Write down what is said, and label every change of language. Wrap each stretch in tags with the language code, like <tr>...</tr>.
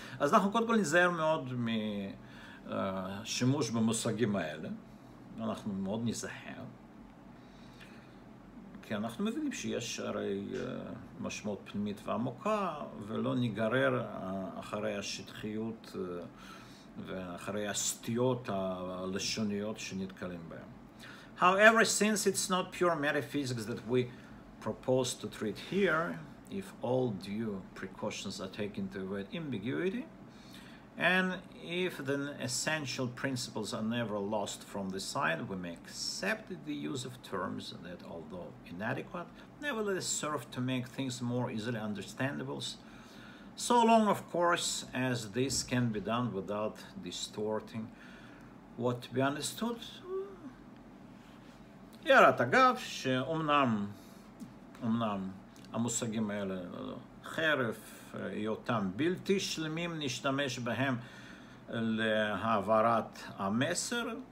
<he>אז אנחנו קודם כל נזהר מאוד משימוש במושגים האלה, אנחנו מאוד נזהר. כי אנחנו מבינים שיש הרי משמעות פנימית ועמוקה, ולא ניגרר אחרי השטחיות ואחרי הסטיות הלשוניות שנתקלים בהן.</he> <en>However, since it's not pure metaphysics that we propose to treat here, if all due precautions are taken to avoid ambiguity, and if the essential principles are never lost from the sight, we may accept the use of terms that, although inadequate, nevertheless serve to make things more easily understandable, so long, of course, as this can be done without distorting what to be understood.</en> <he>ירת אגב שאומנם המושגים האלה חרף היותם בלתי שלמים, נשתמש בהם להעברת המסר,</he>